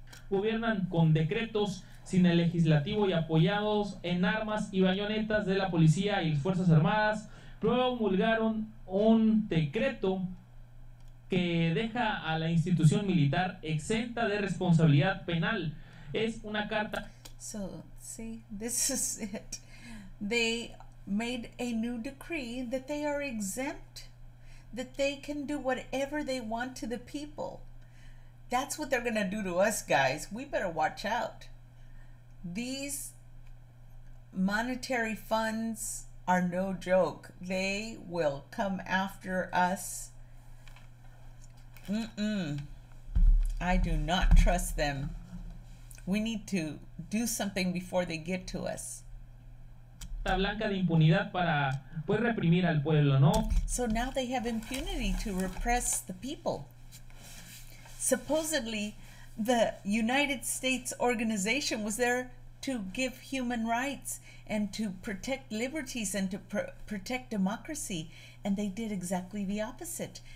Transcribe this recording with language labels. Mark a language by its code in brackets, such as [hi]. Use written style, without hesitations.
[es] Gobiernan con decretos sin el legislativo y apoyados en armas y bayonetas de la policía y las fuerzas armadas, promulgaron un decreto que deja a la institución militar exenta de responsabilidad penal. Es una carta. [en] So, see, this is it. They made a new decree that they are exempt, that they can do whatever they want to the people. That's what they're going to do to us, guys. We better watch out. These monetary funds are no joke. They will come after us. I do not trust them. We need to do something before they get to us. [es] Blanca de impunidad para pues reprimir al pueblo, ¿no? [en] So now they have impunity to repress the people. Supposedly, the United States organization was there to give human rights and to protect liberties and to protect democracy, and they did exactly the opposite.